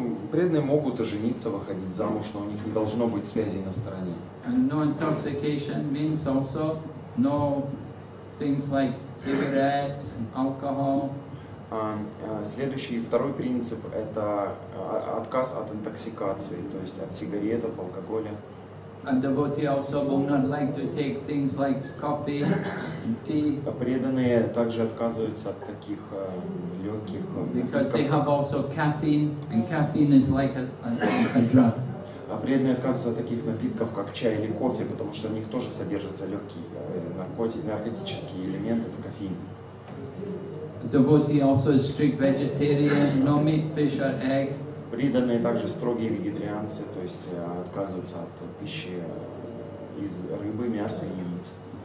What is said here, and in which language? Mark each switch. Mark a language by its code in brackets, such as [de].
[ru] Преданные могут жениться, выходить замуж, но у них не должно быть связи на стороне. [en] And no intoxication means also no things like cigarettes and alcohol. [ru] Следующий, второй принцип – это отказ от интоксикации, то есть от сигарет, от алкоголя. [en] And devotee also will not like to take things like coffee and tea. [ru] Преданные также отказываются от таких легких. [en] Because they have also caffeine, and caffeine is like a drug. [ru] А преданные отказываются от таких напитков, как чай или кофе, потому что в них тоже содержатся легкие наркотические элементы, это кофеин. [en] Devotee also is strict vegetarian, no meat, fish or egg. [ru] Преданные также строгие вегетарианцы, то есть отказываются от пищи из рыбы, мяса и яиц.